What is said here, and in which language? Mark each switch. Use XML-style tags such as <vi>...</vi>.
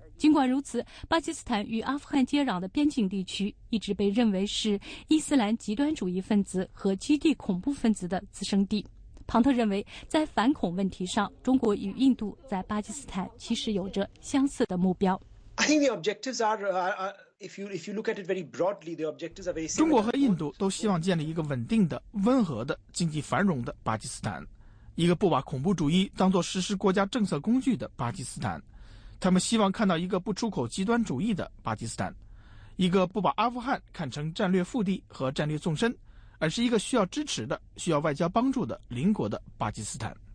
<zh>尽管如此，巴基斯坦与阿富汗接壤的边境地区一直被认为是伊斯兰极端主义分子和基地恐怖分子的滋生地。庞特认为，在反恐问题上，中国与印度在巴基斯坦其实有着相似的目标。</zh> <en>I think the objectives are... If you look at it very broadly, the objectives are very similar.</en> <zh>中国和印度都希望建立一个稳定的、温和的、经济繁荣的巴基斯坦，一个不把恐怖主义当作实施国家政策工具的巴基斯坦。他们希望看到一个不出口极端主义的巴基斯坦，一个不把阿富汗看成战略腹地和战略纵深，而是一个需要支持的、需要外交帮助的邻国的巴基斯坦。</zh>